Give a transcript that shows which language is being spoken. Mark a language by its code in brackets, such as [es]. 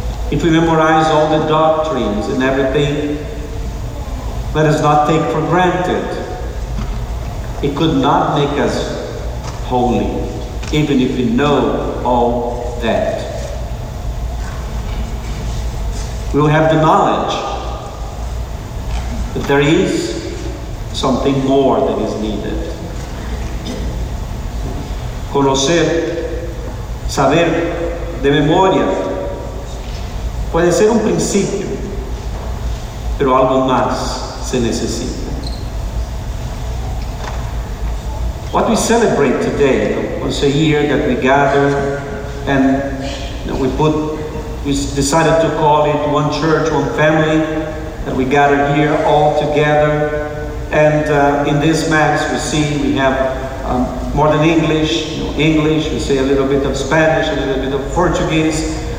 [en] If we memorize all the doctrines and everything, let us not take for granted, it could not make us holy, even if we know all that. We will have the knowledge that there is something more that is needed. [es] Conocer, saber de memoria, puede ser un principio, pero algo más se necesita. [en] What we celebrate today, once a year that we gather and we put We decided to call it One Church, One Family, that we gather here all together. And in this Mass, we see we have more than English, you know, English, we say a little bit of Spanish, a little bit of Portuguese.